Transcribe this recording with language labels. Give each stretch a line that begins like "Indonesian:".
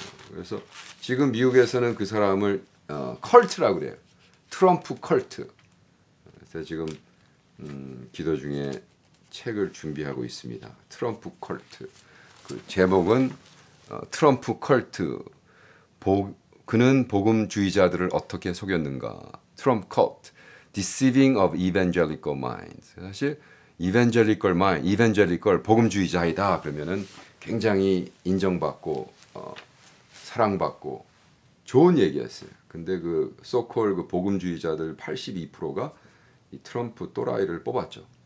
Korean: 그래서 지금 미국에서는 그 사람을 컬트라고 그래요. 트럼프 컬트. 그래서 지금 기도 중에 책을 준비하고 있습니다. 트럼프 컬트. 그 제목은 트럼프 컬트. 그는 복음주의자들을 어떻게 속였는가. 트럼프 컬트.
English: Deceiving of evangelical minds.
Korean: 사실 evangelical mind, evangelical 복음주의자이다 그러면은 굉장히 인정받고 사랑받고 좋은 얘기였어요. 근데 그 소콜 그 복음주의자들 82%가 이 트럼프 또라이를 뽑았죠.